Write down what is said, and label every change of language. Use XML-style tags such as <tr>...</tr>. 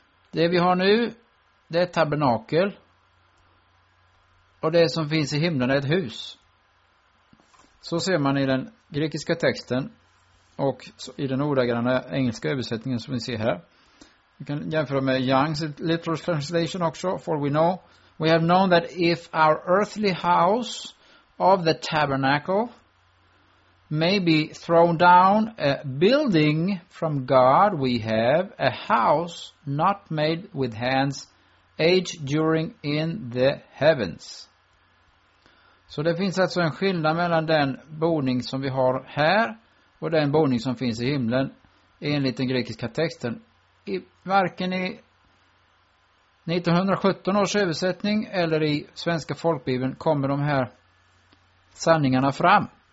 <sv>Det vi har nu, det är tabernakel. Och det som finns i himlen är ett hus. Så ser man i den grekiska texten. Och i den ordagranna engelska översättningen som vi ser här. Vi kan jämföra med Young's literal translation också.</sv> <en>For we know We have known that if our earthly house of the tabernacle may be thrown down, a building from God we have, a house not made with hands, age during in the heavens.</en> <sv>Så det finns alltså en skillnad mellan den boning som vi har här och den boning som finns i himlen enligt den grekiska texten. Varken i 1917 års översättning eller i Svenska folkbibeln kommer de här sanningarna fram.</sv>